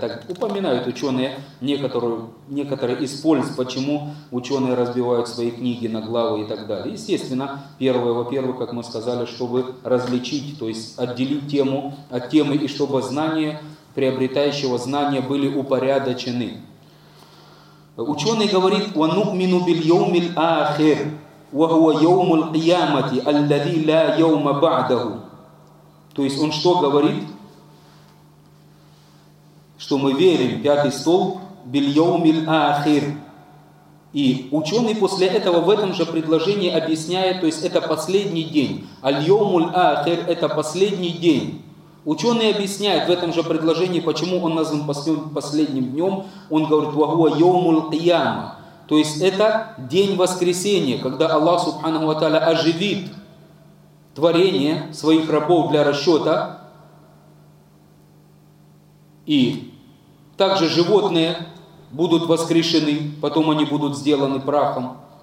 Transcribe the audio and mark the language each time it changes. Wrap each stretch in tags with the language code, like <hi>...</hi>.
<ru>Так упоминают ученые некоторые из польз, почему ученые разбивают свои книги на главы и так далее. Естественно, первое, во-первых, как мы сказали, чтобы различить, то есть отделить тему от темы, и чтобы знания, приобретающего знания, были упорядочены. Ученый говорит: «Ва нукмину биль йоумиль ахир».</ru> <ar>وهو يوم القيامة الذي لا يوم بعده.</ar> <ru>То есть он что говорит? Что мы верим в пятый столб</ru> <ar>بِالْيَوْمِ الْآخِرِ.</ar> <ru>И ученый после этого в этом же предложении объясняет, то есть это последний день.</ru> <ar>الْيَوْمُ الْآخِرِ</ar> <ru>это последний день. Ученый объясняет в этом же предложении, почему он назван последним днем. Он говорит</ru> <ar>وَهُوَ يَوْمُ الْقِيَامَةِ.</ar> <ru>То есть это день воскресения, когда Аллах, субханаху ва тааля, оживит творение своих рабов для расчета. И также животные будут воскрешены, потом они будут сделаны прахом.</ru>